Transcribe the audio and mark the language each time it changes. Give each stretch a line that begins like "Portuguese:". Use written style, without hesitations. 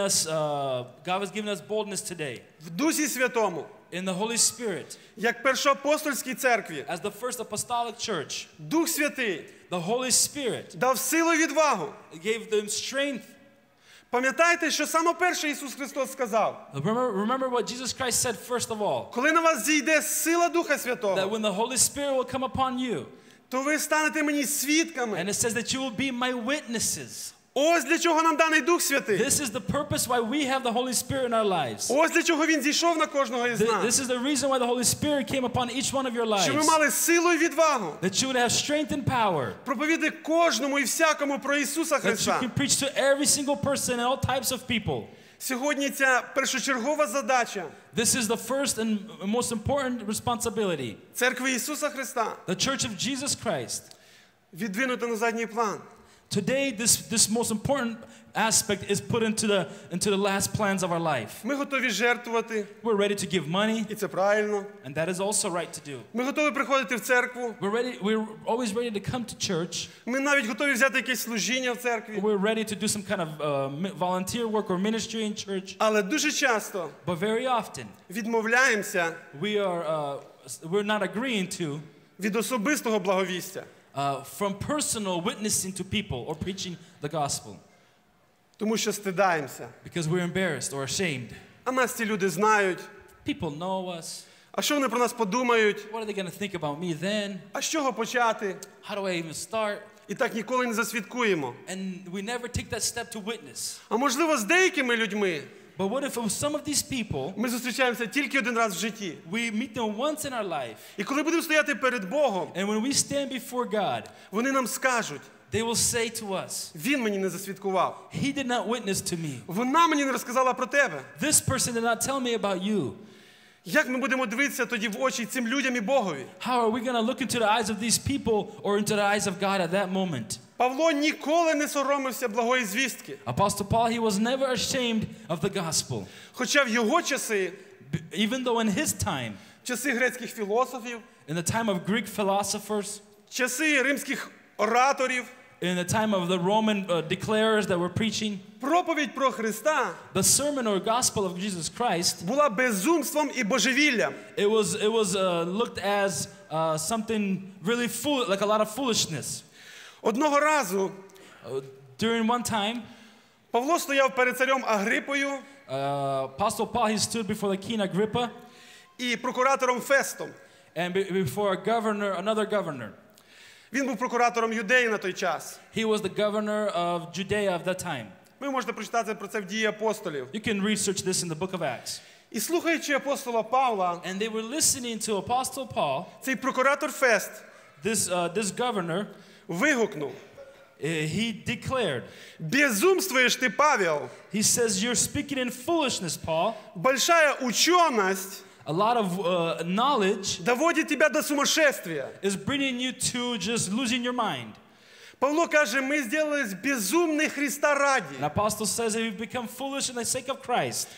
English: God has given us boldness today.
Ukrainian: В Дусі Святому.
English: In the Holy Spirit.
Ukrainian: Як першоапостольській церкві.
English: As the first apostolic church.
Ukrainian: Дух Святий.
English: The Holy Spirit.
Ukrainian: Дав силу і відвагу.
English: Gave them strength.
Ukrainian: Пам'ятаєте, що саме перше Ісус Христос сказав?
English: Remember what Jesus Christ said first of all.
Ukrainian: Коли на вас зійде сила Духа Святого,
English: that when the Holy Spirit will come upon you,
Ukrainian: то ви станете мені свідками.
English: And it says that you will be my witnesses.
Ukrainian: Ось для чого нам даний Дух Святий.
English: This is the purpose why we have the Holy Spirit in our lives.
Ukrainian: Ось для чого він зійшов на кожного із нас.
English: This is the reason why the Holy Spirit came upon each one of your lives.
Ukrainian: Щоб ви мали силу і відвагу.
English: That you would have strength and power.
Ukrainian: Проповідати кожному і всякому про Ісуса Христа.
English: That you can preach to every single person and all types of people.
Ukrainian: Сьогодні ця першочергова задача.
English: This is the first and most important responsibility.
Ukrainian: Церкви Ісуса Христа.
English: The Church of Jesus Christ.
Ukrainian: Відвинути на задній план.
English: Today this most important aspect is put into the last plans of our life.
Ukrainian: Ми готові жертвувати.
English: We're ready to give money.
Ukrainian: І це правильно.
English: And that is also right to do.
Ukrainian: Ми готові приходити в церкву.
English: We're always ready to come to church.
Ukrainian: Ми навіть готові взяти якесь служіння в церкві.
English: We're ready to do some kind of volunteer work or ministry in church.
Ukrainian: Але дуже часто.
English: But very often.
Ukrainian: Відмовляємося.
English: We are we're not agreeing to.
Ukrainian: Від особистого благовістя.
English: From personal witnessing to people or preaching the gospel.
Ukrainian: Тому що стидаємося.
English: Because we're embarrassed or ashamed.
Ukrainian: А нас ці люди знають.
English: People know us.
Ukrainian: А що вони про нас подумають?
English: What are they going to think about me then?
Ukrainian: А з чого почати?
English: How do I even start?
Ukrainian: І так ніколи не засвідкуємо.
English: And we never take that step to witness.
Ukrainian: А можливо, з деякими людьми?
English: But what if some of these people?
Ukrainian: Ми зустрічаємося тільки один раз в житті.
English: We meet them once in our life.
Ukrainian: І коли будемо стояти перед Богом?
English: And when we stand before God.
Ukrainian: Вони нам скажуть:
English: They will say to us.
Ukrainian: Він мені не засвідкував.
English: He did not witness to me.
Ukrainian: Вона мені не розказала про тебе.
English: This person did not tell me about you.
Ukrainian: Як ми будемо дивитися тоді в очі цим людям і Богові?
English: How are we going to look into the eyes of these people or into the eyes of God at that moment?
Ukrainian: Павло ніколи не соромився благої звістки.
English: Apostle Paul, he was never ashamed of the gospel.
Ukrainian: Хоча в його часи,
English: even though in his time,
Ukrainian: часи грецьких філософів,
English: in the time of Greek philosophers,
Ukrainian: часи римських ораторів,
English: in the time of the Roman declarers that were preaching,
Ukrainian: проповідь про Христа,
English: the sermon or gospel of Jesus Christ,
Ukrainian: була безумством і божевіллям.
English: It was looked as something really fool, like a lot of foolishness.
Ukrainian: Одного разу,
English: during one time,
Ukrainian: Павло стояв перед царем Агрипою,
English: Apostle Paul, he stood before the king Agrippa,
Ukrainian: і прокуратором Фестом,
English: and before a governor, another governor.
Ukrainian: Він був прокуратором Юдеї на той час.
English: He was the governor of Judea of that time.
Ukrainian: Ви можете прочитати про це в Діях апостолів.
English: You can research this in the book of Acts.
Ukrainian: І слухаючи апостола Павла,
English: and they were listening to Apostle Paul,
Ukrainian: цей прокуратор Фест,
English: this governor,
Ukrainian: вигукнув.
English: He declared.
Ukrainian: Безумствуєш ти, Павел.
English: He says you're speaking in foolishness, Paul.
Russian: Большая ученость.
English: A lot of knowledge
Ukrainian: доводить тебе
Russian: до сумасшествия.
English: Is bringing you to just losing your mind.
Ukrainian: Павло каже: "Ми зробили з безумних Христа ради."
English: And apostle says that we've become foolish in the sake of Christ.